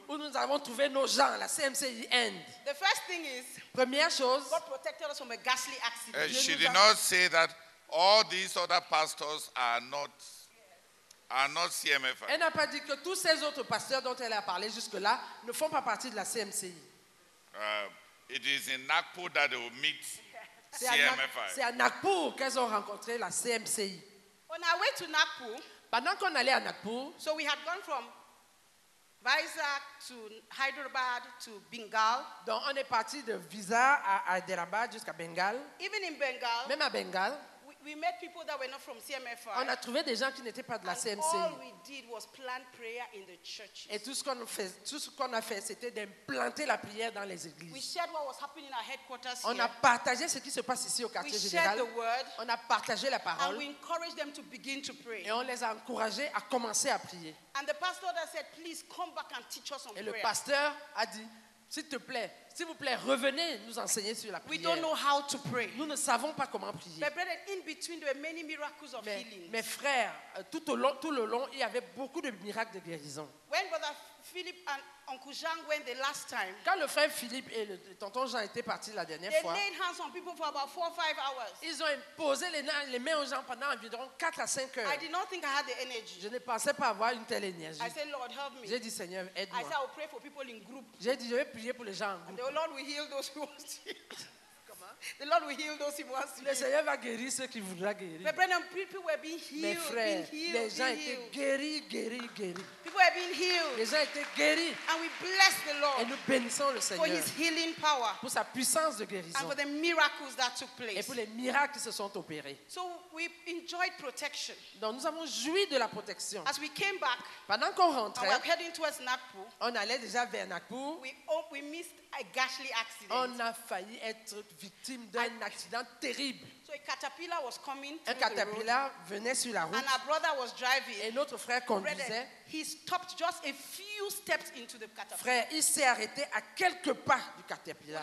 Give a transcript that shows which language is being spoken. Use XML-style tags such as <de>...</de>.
<fr>Où nous avons trouvé nos gens, la CMCIND.</fr> <en>The first thing is,</en> <fr>première chose,</fr> <en>God protected us from a ghastly accident. She did not say that all these other pastors are not CMFI.</en> <fr>Elle n'a pas dit que tous ces autres pasteurs dont elle a parlé jusque-là ne font pas partie de la CMCI.</fr> <en>It is in Nagpur that they will meet CMFI.</en> <fr>C'est à Nagpur qu'elles ont rencontré la CMCI.</fr> <en>On our way to Nagpur,</en> <fr>pendant qu'on allait à Nagpur,</fr> <en>so we had gone from Vizag to Hyderabad to Bengal.</en> <fr>Donc on est parti de Visa à Hyderabad jusqu'à Bengal.</fr> <en>Even in Bengal.</en> <fr>Même à Bengal.</fr> <en>We met people that were not from CMFI.</en> <fr>On a trouvé des gens qui n'étaient pas de la CMC.</fr> <en>All we did was plant prayer in the churches.</en> <fr>Et tout ce qu'on a fait, c'était d'implanter la prière dans les églises.</fr> <en>We shared what was happening in our headquarters.</en> <fr>On a partagé ce qui se passe ici au quartier général.</fr> <en>We shared the word.</en> <fr>On a partagé la parole.</fr> <en>And we encouraged them to begin to pray.</en> <fr>Et on les a encouragés à commencer à prier.</fr> <en>And the pastor that said, please come back and teach us on prayer.</en> <fr>Et le pasteur a dit, S'il vous plaît, revenez nous enseigner sur la prière.</fr> <en>We don't know how to pray.</en> <fr>Nous ne savons pas comment prier.</fr> <en>But brethren, in between, there were many miracles of healing.</en> <fr>Mes frères, tout le long, il y avait beaucoup de miracles de guérison.</fr> <en>When Brother Philip and Uncle Jean went the last time,</en> <fr>quand le frère Philippe et le tonton Jean étaient partis la dernière</fr> <en>they</en> <fr>fois,</fr> <en>they laid hands on people for about 4 or 5 hours.</en> <fr>Ils ont imposé les mains aux gens pendant environ 4 à 5 heures.</fr> <en>I did not think I had the energy.</en> <fr>Je ne pensais pas avoir une telle énergie.</fr> <en>I said, Lord, help me.</en> <fr>J'ai dit, Seigneur, aide-moi.</fr> <en>I said, I'll pray for people in group.</en> <fr>J'ai dit, je vais prier pour les gens en groupe.</fr> <en>And the Lord will heal those who want to. The Lord will heal those who want to.</en> <fr>Le Seigneur va guérir ceux qui voudront guérir.</fr> <en>But brethren, people were being healed.</en> <fr>Mes frères,</fr> <en>being healed,</en> <fr>les gens étaient guéris.</fr> <en>People were being healed.</en> <fr>Les gens étaient guéris.</fr> <en>And we bless the Lord.</en> <fr>Et nous bénissons le Seigneur</fr> <en>for His healing power.</en> <fr>Pour sa puissance de guérison.</fr> <en>And for the miracles that took place.</en> <fr>Et pour les miracles qui se sont opérés.</fr> <en>So we enjoyed protection.</en> <fr>Donc nous avons joui de la protection.</fr> <en>As we came back,</en> <fr>pendant qu'on rentrait,</fr> <en>and we're heading towards Nagpur,</en> <fr>on allait déjà vers Nagpur.</fr> <en>We missed a ghastly accident.</en> <fr>On a failli être victime d'un accident terrible.</fr> <en>So a caterpillar was coming</en> <fr>un caterpillar venait sur la route.</fr> <en>And our brother was driving.</en> <fr>Et notre frère conduisait.</fr> <en>He stopped just a few steps into the caterpillar.</en> <fr>Frère, il s'est arrêté à quelques pas du caterpillar.</fr>